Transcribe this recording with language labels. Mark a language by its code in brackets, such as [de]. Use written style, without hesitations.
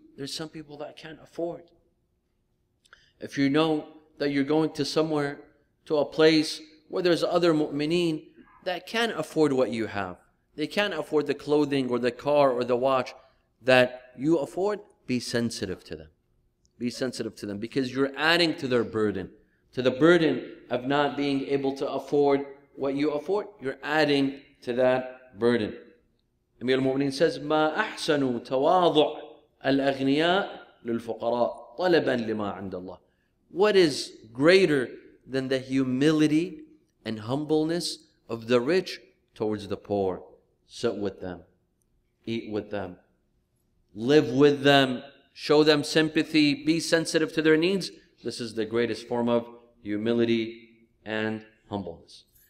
[en] There's some people that can't afford. If you know that you're going to somewhere, to a place where there's other mu'mineen that can't afford what you have, they can't afford the clothing or the car or the watch that you afford, be sensitive to them. Be sensitive to them because you're adding to their burden. To the burden of not being able to afford what you afford, you're adding to that burden. Amir al-Mu'mineen says, [ar] ما أحسن تواضع الأغنياء للفقراء طلبا لما عند الله. [en] What is greater than the humility and humbleness of the rich towards the poor? Sit with them, eat with them, live with them, show them sympathy, be sensitive to their needs. This is the greatest form of humility and humbleness.